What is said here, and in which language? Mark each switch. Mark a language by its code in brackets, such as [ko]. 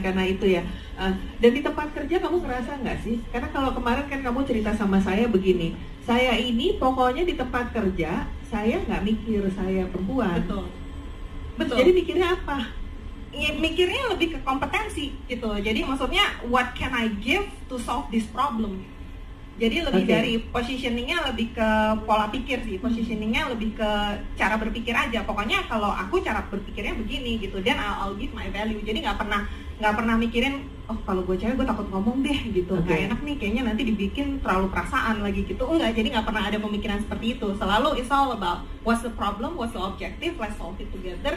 [id] karena itu ya. Dan di tempat kerja kamu ngerasa nggak sih? Karena kalau kemarin kan kamu cerita sama saya begini, saya ini pokoknya di tempat kerja saya nggak mikir saya perempuan. Betul. Jadi mikirnya apa? Mikirnya lebih ke kompetensi gitu. Jadi maksudnya [en] what can I give to solve this problem? [id] Jadi lebih dari positioningnya lebih ke pola pikir sih, positioningnya lebih ke cara berpikir aja. Pokoknya kalau aku cara berpikirnya begini gitu, [en] then I'll give my value. [id] Jadi nggak pernah mikirin, oh kalau gue cewek gue takut ngomong deh gitu, nggak enak nih kayaknya nanti dibikin terlalu perasaan lagi gitu. Enggak, jadi nggak pernah ada pemikiran seperti itu. Selalu [en] it's all about what's the problem, what's the objective, let's solve it together.